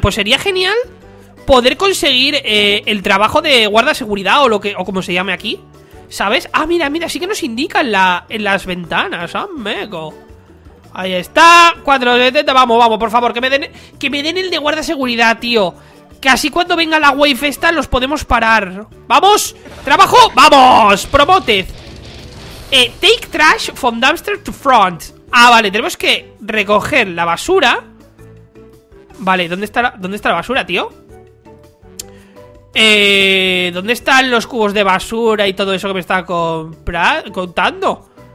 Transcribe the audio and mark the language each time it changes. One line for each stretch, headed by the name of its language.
Spanish: Pues sería genial poder conseguir el trabajo de guarda seguridad o lo que o como se llame aquí, ¿sabes? Ah, mira, mira, sí que nos indica en las ventanas, amigo. Ahí está, 470, vamos, vamos, por favor, que me den el de guarda seguridad, tío. Que así cuando venga la wave esta los podemos parar. ¡Vamos! ¡Trabajo! ¡Vamos! ¡Promoted!
English: Take trash from dumpster to front.
Spanish: Ah, vale, tenemos que recoger la basura. Vale, ¿dónde está la basura, tío? ¿Dónde están los cubos de basura y todo eso que me está contando?